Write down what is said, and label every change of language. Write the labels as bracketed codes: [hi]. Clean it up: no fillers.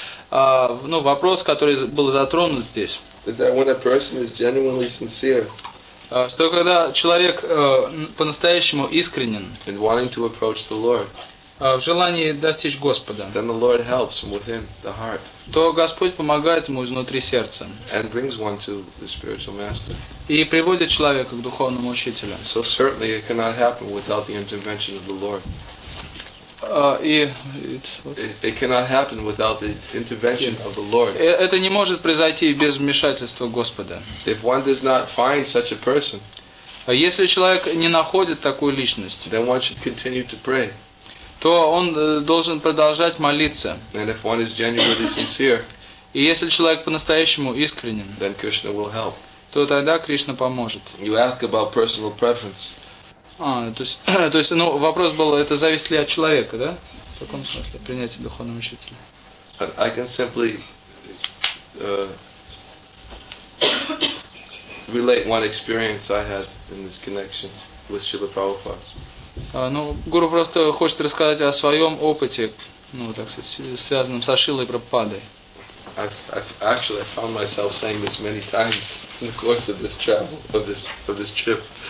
[ru] Вопрос, который был затронут здесь. [en] Is that when a person is genuinely sincere? [ru] Что когда человек по-настоящему искренен. [en] In wanting to approach the Lord. [ru] В желании достичь Господа. [en] Then the Lord helps him within the heart. [ru] То Господь помогает ему изнутри сердца. [en] And brings one to the spiritual master. [ru] И приводит человека к духовному учителю. [en] So certainly it cannot happen without the intervention of the Lord. It cannot happen without the intervention of the Lord. [ru] Это не может произойти без вмешательства Господа. [en] If one does not find such a person, [ru] если человек не находит такую личность, [en] then one should continue to pray. [ru] То он должен продолжать молиться. [en] And if one is genuinely sincere, [ru] и если человек по-настоящему искренен, [en] then Krishna will help. [ru] То тогда Кришна поможет. [en] You ask about personal preference. [ru] То есть, ну, вопрос был, это зависит ли от человека, да? В таком смысле, принятие духовного учителя. [en] I can simply relate one experience I had in this connection with Srila Prabhupada. [ru] Гуру просто хочет рассказать о своем опыте, ну, так сказать, связанном со Шилой Прабхупадой. [en] I found myself saying this many times in the course of this travel, of this trip.